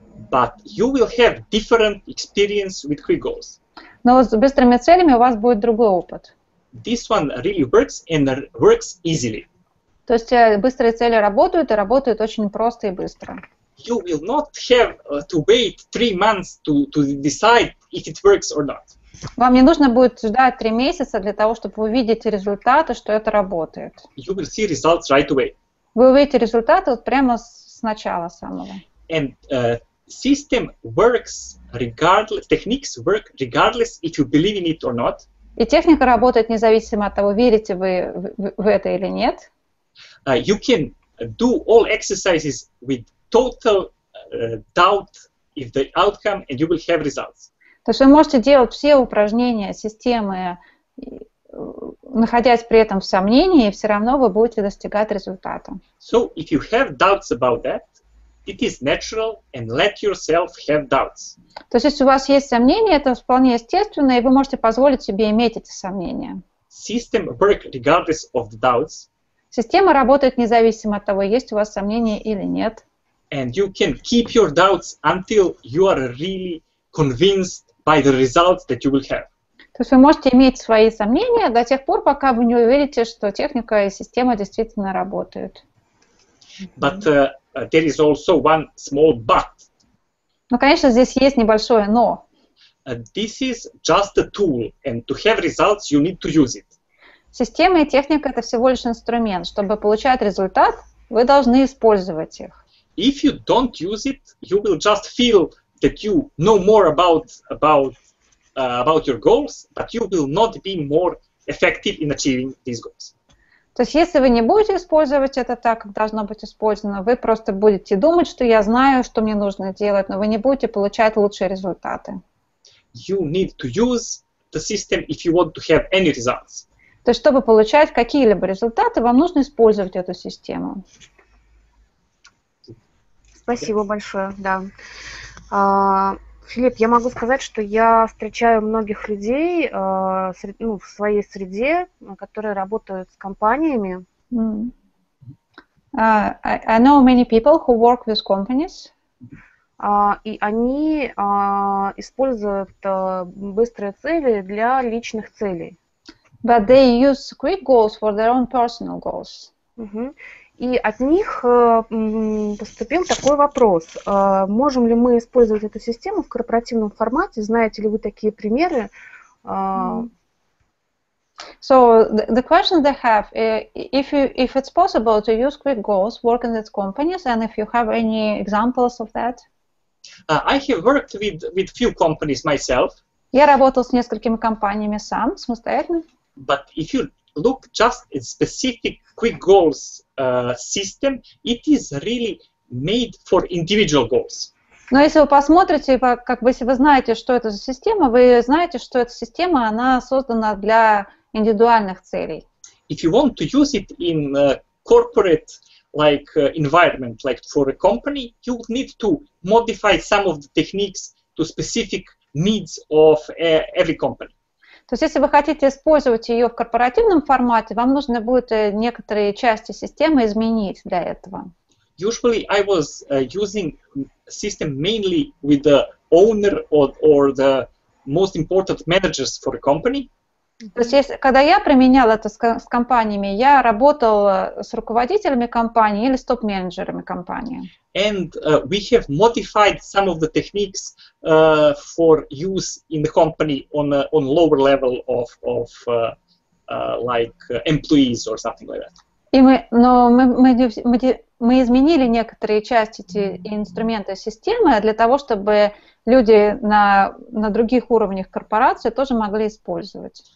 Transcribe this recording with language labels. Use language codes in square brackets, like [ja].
[en] But you will have different experience with quick goals. [ru] Но с быстрыми целями у вас будет другой опыт. [en] This one really works and works easily. [ru] То есть быстрые цели работают и работают очень просто и быстро. [en] You will not have to wait 3 months to decide if it works or not. [ru] Вам не нужно будет ждать 3 месяца для того, чтобы увидеть результаты, что это работает. [en] You will see results right away. [ru] Вы увидите результаты вот прямо с начала самого. [en] And system works regardless, techniques work regardless if you believe in it or not. [ru] И техника работает независимо от того, верите вы в это или нет. [en] You can do all exercises with total doubt if the outcome and you will have results. [ru] То есть вы можете делать все упражнения системы, находясь при этом в сомнении, и все равно вы будете достигать результата. [en] So if you have doubts about that, it is natural and let yourself have doubts. [ru] То есть если у вас есть сомнения, это вполне естественно, и вы можете позволить себе иметь эти сомнения. [en] System works regardless of the doubts. [ru] Система работает независимо от того, есть у вас сомнения или нет. [en] And you can keep your doubts until you are really convinced by the results that you will have. [ru] То есть вы можете иметь свои сомнения до тех пор, пока вы не уверите, что техника и система действительно работают. [en] But there is also one small but. [ru] Ну, конечно, здесь есть небольшое но. [en] This is just a tool, and to have results, you need to use it. [ru] Система и техника — это всего лишь инструмент. Чтобы получать результат, вы должны использовать их. [en] If you don't use it, you will just feel that you know more about your goals, but you will not be more effective in achieving these goals. [ru] То есть, если вы не будете использовать это так, как должно быть использовано, вы просто будете думать, что я знаю, что мне нужно делать, но вы не будете получать лучшие результаты. [en] You need to use the system if you want to have any results. [ru] То есть, чтобы получать какие-либо результаты, вам нужно использовать эту систему. Спасибо большое, да. Филипп, я могу сказать, что я встречаю многих людей в своей среде, которые работают с компаниями. [en] I know many people who work with companies. [ru] И они используют быстрые цели для личных целей. [en] But they use quick goals for their own personal goals. [ru] И от них поступил такой вопрос. Можем ли мы использовать эту систему в корпоративном формате? Знаете ли вы такие примеры? [en] So, the question they have, if it's possible to use quick goals, work in these companies, and if you have any examples of that? I have worked with few companies myself. [ru] Я работал с несколькими компаниями сам, самостоятельно. [en] But if you look just at specific quick goals system, it is really made for individual goals. [ru] Но если вы посмотрите, как бы если вы знаете, что это за система, вы знаете, что эта система, она создана для индивидуальных целей. [en] If you want to use it in a corporate like environment, like for a company, you need to modify some of the techniques to specific needs of every company. [ru] То есть, если вы хотите использовать ее в корпоративном формате, вам нужно будет некоторые части системы изменить для этого. [en] Usually I was using system mainly with the owner or the most important managers for a company. [ru] То есть, если, когда я применял это с компаниями, я работал с руководителями компании или с топ-менеджерами компании. [en] And we have modified some of the techniques for use in the company on lower level of employees or something like that. [ru] И мы изменили некоторые части инструмента системы для того, чтобы люди на других уровнях корпорации тоже могли использовать.